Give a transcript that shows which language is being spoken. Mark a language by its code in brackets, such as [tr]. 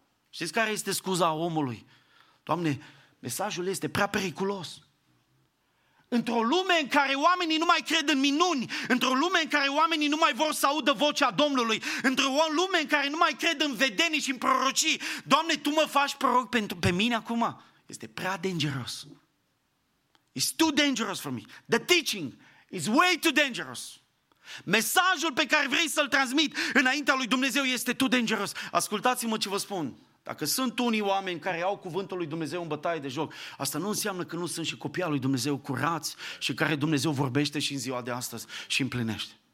[ro] Știți care este scuza omului? Doamne, mesajul este prea periculos. Într-o lume în care oamenii nu mai cred în minuni, într-o lume în care oamenii nu mai vor să audă vocea Domnului, într-o lume în care nu mai cred în vedenii și în prorocii, Doamne, Tu mă faci proroc pe mine acum? Este prea dangerous. [en] It's too dangerous for me. The teaching is way too dangerous. [ro] Mesajul pe care vrei să-l transmit înaintea lui Dumnezeu este [en] too dangerous. [ro] Ascultați-mă ce vă spun. Dacă sunt unii oameni care au cuvântul lui Dumnezeu în bătaie de joc, asta nu înseamnă că nu sunt și copii al lui Dumnezeu curați și care Dumnezeu vorbește și în ziua de astăzi și împlinește.